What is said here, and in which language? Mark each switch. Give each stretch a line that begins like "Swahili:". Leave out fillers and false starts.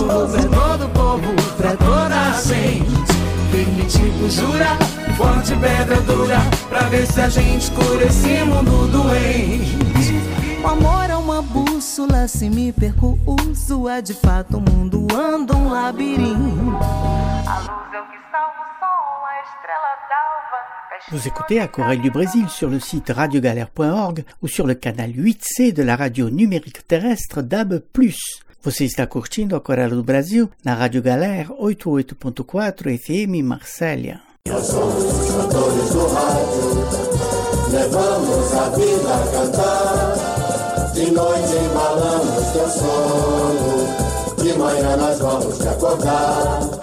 Portuguese: Pra todo povo, pra toda gente. Permitido jura, forte pedra dura. Pra ver se a gente cura esse mundo doente. O amor é uma bússola, se me perco, uso. É de fato o mundo anda um labirinto. A luz é o que salva o sol, a estrela d'alva.
French: Vous écoutez à Corée du Brésil sur le site radiogalère.org ou sur le canal 8C de la radio numérique terrestre DAB+.
Portuguese: Você está curtindo a Coral do Brasil na Rádio Galera 88.4 FM Marcélia. Nós somos os cantores do rádio, levamos a vida a cantar. De noite embalamos teu sono, de manhã nós vamos te acordar.